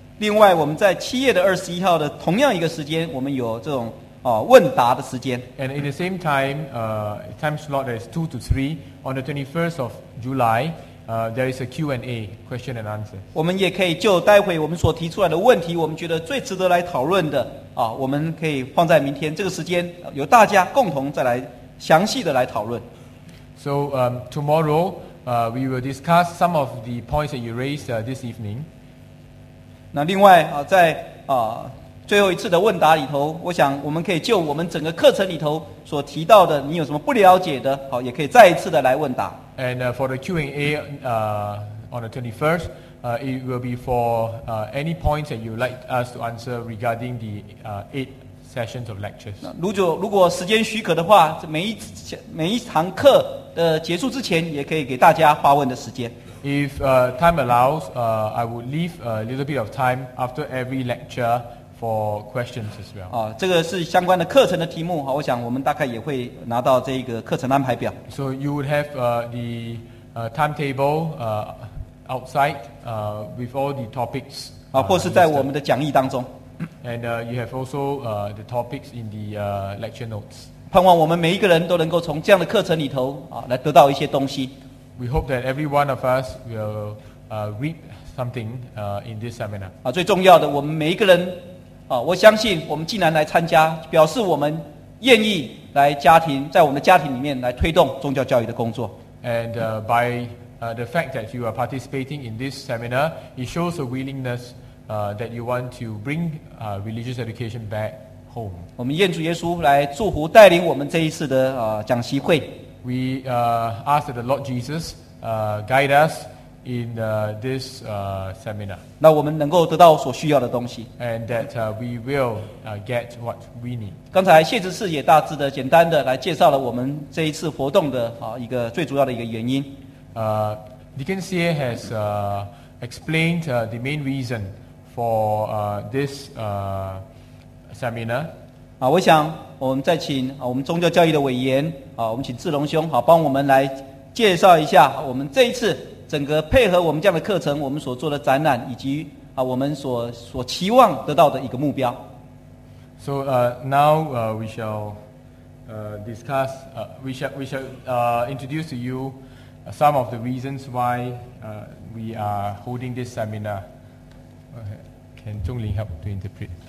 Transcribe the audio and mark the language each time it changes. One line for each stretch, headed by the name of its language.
Chinese: 另外我们在7月的21号的同样一个时间我们有这种问答的时间。
English: And in the same time, time slot is 2 to 3 on the 21st of July, there is a Q&A, question and answer.
Chinese: 我们也可以就待会我们所提出来的问题我们觉得最值得来讨论的我们可以放在明天这个时间由大家共同再来详细的来讨论。
English: So tomorrow, we will discuss some of the points that you raised this evening.
Chinese: 那另外在最后一次的问答里头，我想我们可以就我们整个课程里头所提到的，你有什么不了解的，也可以再一次的来问答。
English: And for the Q&A on the 21st, it will be for any points that you would like us to answer regarding the eight. Sessions of lectures.
Chinese: 如果时间许可的话，每一堂课的结束之前，也可以给大家发问的时间。
English: If time allows, I would leave a little bit of time after every lecture for questions as well.
Chinese: 这个是相关的课程的题目，我想我们大概也会拿到这个课程安排表。
English: So you would have the timetable outside with all the topics.
Chinese: 或是在我们的讲义当中。
English: And you have also the topics in the lecture notes.
Chinese: 盼望我们每一个人都能够从这样的课程里头来得到一些东西。
English: We hope that every one of us will reap something in this seminar.
Chinese: 最重要的，我们每一个人我相信我们既然来参加，表示我们愿意来家庭，在我们的家庭里面来推动宗教教育的工作。
English: And by the fact that you are participating in this seminar, it shows a willingness. That you want to bring religious education back home.
Chinese: 我们愿主耶稣来祝福带领我们这一次的讲习会。
English: We ask that the Lord Jesus guide us in this seminar.
Chinese: 那我们能够得到所需要的东西。
English: And that we will get what we need.
Chinese: 刚才谢执事也大致的、简单的来介绍了我们这一次活动的一个最主要的一个原因。
English: Deacon Xie has explained the main reason. For this seminar,
Chinese: 我想我们再请我们宗教教育的委员我们请志龙兄帮我们来介绍一下我们这一次整个配合我们这样的课程，我们所做的展览以及我们所期望得到的一个目标。
English: So now we shall discuss. We shall introduce to you some of the reasons why we are holding this seminar. Okay. And Zhongling help to interpret.